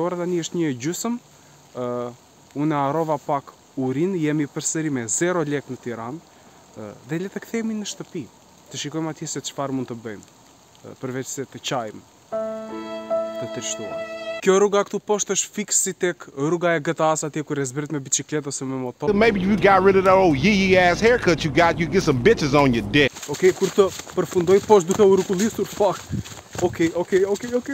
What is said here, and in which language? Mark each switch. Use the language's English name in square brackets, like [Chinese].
[Albanian] Ora tani është 1:30. Unë harrova pak urin, jemi përsëri me 0 lek në Tiranë. Dhe le të kthehemi në shtëpi. Të shikojmë atje se çfarë mund të bëjmë. Përveç se të çajmë të trishtuar. Kjo rruga këtu poshtë është fiksi tek rruga e GTA-s atje ku rrezbrit me biçikletë ose me motor. [English] Maybe you got rid of that old yee ass haircut you got, you get some bitches on your dick. [Albanian] Okay, kur të përfundoj poshtë duke u rrukullisur, fuck. Okay.